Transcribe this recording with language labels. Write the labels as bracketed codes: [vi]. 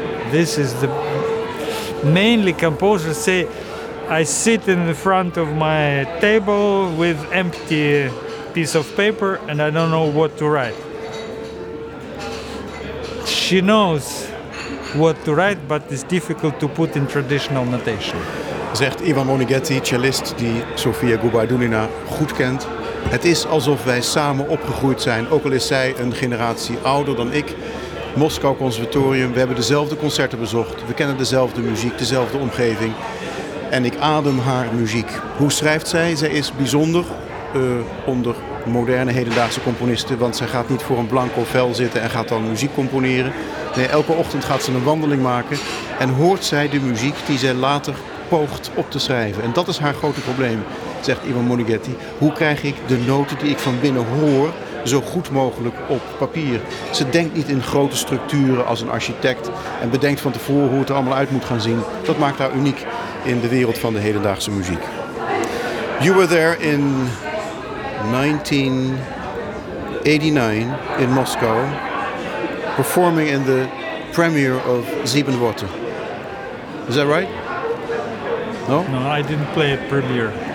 [en] This is the mainly composers say, I sit in the front of my table with empty piece of paper and I don't know what to write. She knows what to write, but it's difficult to put in traditional notation. [nl] Zegt Ivan Monighetti, cellist die Sofia Gubardulina goed kent. Het is alsof wij samen opgegroeid zijn, ook al is zij een generatie ouder dan ik. Moskou Conservatorium, we hebben dezelfde concerten bezocht. We kennen dezelfde muziek, dezelfde omgeving. En ik adem haar muziek. Hoe schrijft zij? Zij is bijzonder onder moderne hedendaagse componisten. Want zij gaat niet voor een blanco vel zitten en gaat dan muziek componeren. Nee, elke ochtend gaat ze een wandeling maken. En hoort zij de muziek die zij later poogt op te schrijven. En dat is haar grote probleem, zegt Ivan Monighetti. Hoe krijg ik de noten die ik van binnen hoor zo goed mogelijk op papier? Ze denkt niet in grote structuren als een architect en bedenkt van tevoren hoe het er allemaal uit moet gaan zien. Dat maakt haar uniek in de wereld van de hedendaagse muziek. [en] You were there in 1989 in Moscow, performing in the premiere of Siebenwater. Is that right? No? No, I didn't play a premiere.